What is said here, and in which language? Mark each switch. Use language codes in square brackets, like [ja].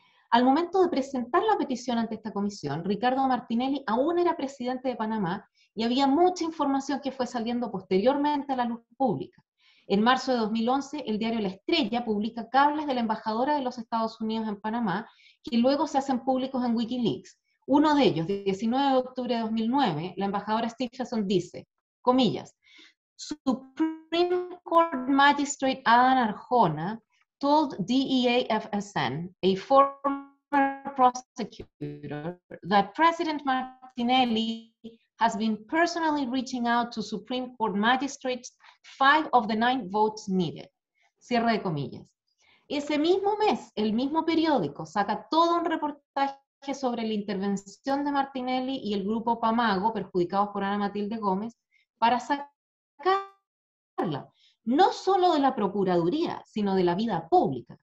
[es] Al momento de presentar la petición ante esta comisión, Ricardo Martinelli aún era presidente de Panamá y había mucha información que fue saliendo posteriormente a la luz pública. En marzo de 2011, el diario La Estrella publica cables de la embajadora de los Estados Unidos en Panamá, que luego se hacen públicos en Wikileaks. Uno de ellos, 19 de octubre de 2009, la embajadora Stephenson dice, comillas, [en] Supreme Court Magistrate Adán Arjona told DEAFSN, a former prosecutor, that President Martinelli has been personally reaching out to Supreme Court magistrates 5 of the 9 votes needed. [es] Cierre de comillas. Ese mismo mes, el mismo periódico saca todo un reportaje sobre la intervención de Martinelli y el grupo Pamago, perjudicados por Ana Matilde Gómez, para sacarla no solo de la Procuraduría, sino de la vida pública.